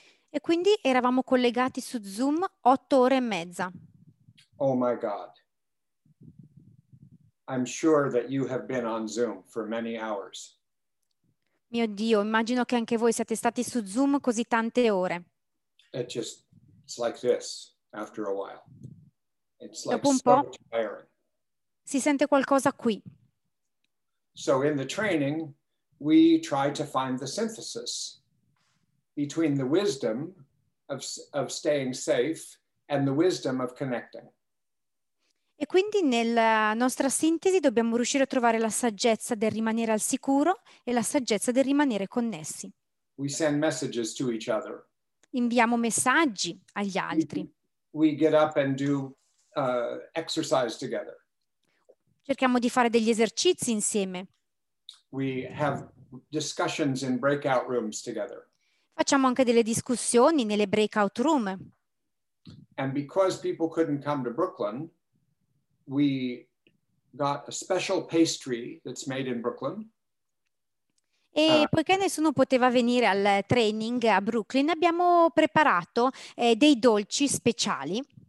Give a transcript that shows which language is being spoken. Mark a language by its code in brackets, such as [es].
[it] E quindi eravamo collegati su Zoom 8 ore e mezza. [en] Oh my God. I'm sure that you have been on Zoom for many hours. [it] Mio Dio, immagino che anche voi siate stati su Zoom così tante ore. [en] It just, it's like this after a while. It's like [it] dopo un [en] so [it] po' [en] tiring. [it] Si sente qualcosa qui. [en] So in the training, we try to find the synthesis between the wisdom of staying safe and the wisdom of connecting. [it] E quindi nella nostra sintesi dobbiamo riuscire a trovare la saggezza del rimanere al sicuro e la saggezza del rimanere connessi. [en] We send messages to each other. [it] Inviamo messaggi agli altri. [en] We get up and do exercise together. [it] Cerchiamo di fare degli esercizi insieme. [en] We have discussions in breakout rooms together. [it] Facciamo anche delle discussioni nelle breakout room. [en] And because people couldn't come to Brooklyn, we got a special pastry that's made in Brooklyn. [it] E poiché nessuno poteva venire al training a Brooklyn, abbiamo preparato dei dolci speciali.